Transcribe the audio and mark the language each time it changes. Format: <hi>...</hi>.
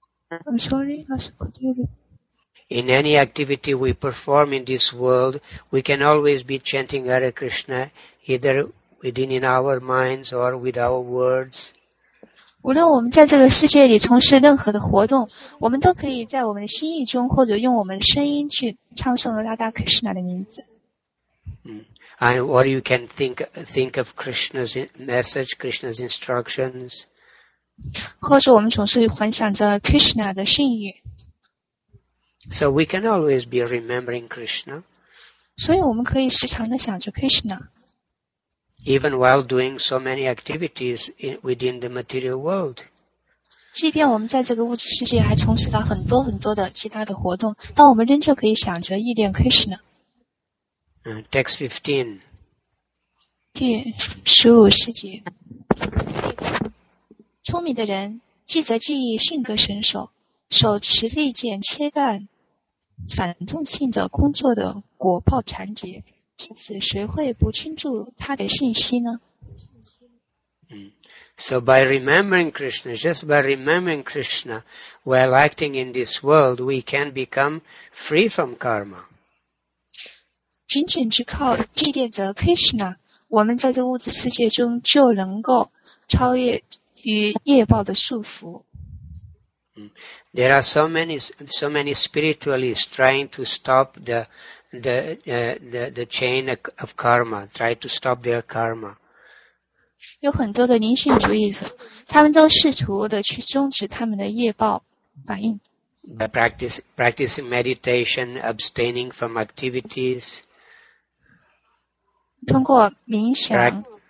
<en>I'm sorry, I forgot you. In any activity we perform in this world, we can always be chanting Hare Krishna, either... Within in our minds or with our words.</en> <zh>无论我们在这个世界里从事任何的活动，我们都可以在我们的心意中或者用我们的声音去唱诵拉达 Krishna 的名字。</zh> <en>And what you can think of Krishna's message, Krishna's instructions.</en> <zh>或者我们总是幻想着 Krishna 的圣语。</zh> <en>So we can always be remembering Krishna.</en> <zh>所以我们可以时常的想着 Krishna.</zh> <en>Even while doing so many activities within the material world.</en> <zh>即便我们在这个物质世界还从事了很多很多的其他的活动，但我们仍旧可以想着意念 Krishna.</zh> <en>Text 15.</en> <zh>第15节。聪明的人记则记忆性格神手，手持利剑切断反动性的工作的果报缠结，因此谁会不倾注他的信息呢？</zh> <en>So by remembering Krishna, just by remembering Krishna while acting in this world, we can become free from karma.</en> <zh>仅仅只靠记念着 Krishna, 我们在这物质世界中就能够超越与业报的束缚。</zh> <en>There are so many spiritualists trying to stop the chain of karma, try to stop their karma.</en> <zh>有很多的灵性主义者，他们都试图的去终止他们的业报反应。</zh> <en>By practicing meditation, abstaining from activities.</en> <zh>通过冥想。</zh>